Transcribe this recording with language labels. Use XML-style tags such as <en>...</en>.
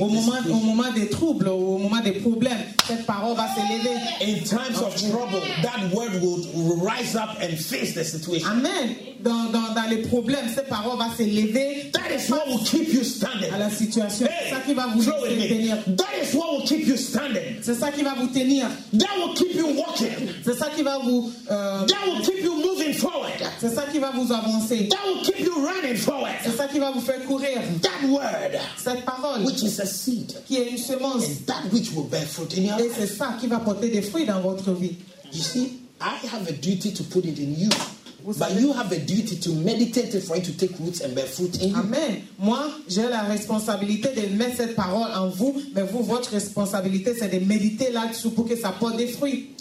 <fr>au moment des troubles, au moment des problèmes, cette parole va s'élever.</fr> <en>In times of trouble, that word would rise up and face the situation.</en> <fr>Amen. dans les problèmes, cette parole va s'élever.</fr> <en>That is what will keep you standing.</en> <fr>À la situation, c'est ça qui va vous tenir.</fr> <en>That is what will keep you standing.</en> <fr>C'est ça qui va vous tenir.</fr> <en>That will keep you walking.</en> <fr>C'est ça qui va vous</fr> <en>That will keep you moving forward.</en> <fr>C'est ça qui va vous avancer.</fr> <en>That will keep you running forward.</en> <fr>C'est ça qui va vous faire courir.</fr> <en>That word,</en> <fr>cette parole,</fr> <en>which is a seed,</en> <fr>qui est une semence,</fr> <en>is that which will bear fruit in your life.</en> <fr>Et c'est ça qui va porter des fruits dans votre vie.</fr> <en>You see, I have a duty to put it in you. But you have a duty to meditate for it to take roots and bear fruit in you. Amen.</en> <fr>Moi, j'ai la responsabilité de mettre cette parole en vous, mais vous, votre responsabilité, c'est de méditer là-dessus pour que ça porte des fruits.</fr>